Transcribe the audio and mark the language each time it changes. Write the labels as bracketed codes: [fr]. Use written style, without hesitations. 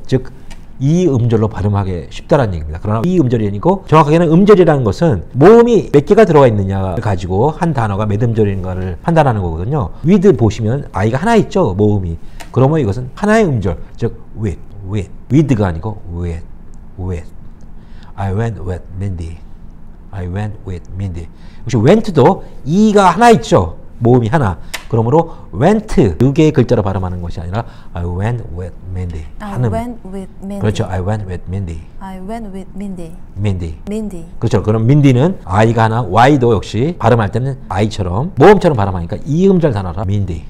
[ko] 즉 이 음절로 발음하기 쉽다라는 얘기입니다. 그러나 이 음절이 아니고 정확하게는 음절이라는 것은 모음이 몇 개가 들어가 있느냐를 가지고 한 단어가 몇 음절인가를 판단하는 거거든요. with 보시면 i가 하나 있죠. 모음이 그러면 이것은 하나의 음절 즉 with, with. [en] with [ko] 가 아니고 [en] with, with. I went with Mindy. I went with Mindy. [ko] 역시 went도 e가 하나 있죠. 모음이 하나. 그러므로 went 두 개의 글자로 발음하는 것이 아니라 [en] I went with Mindy. I went with Mindy. [ko] 그렇죠. [en] I went with Mindy. I went with Mindy. Mindy. Mindy. [ko] 그렇죠. 그럼 Mindy는 i가 하나, y도 역시 발음할 때는 i처럼 모음처럼 발음하니까 e 음절 단어라 Mindy.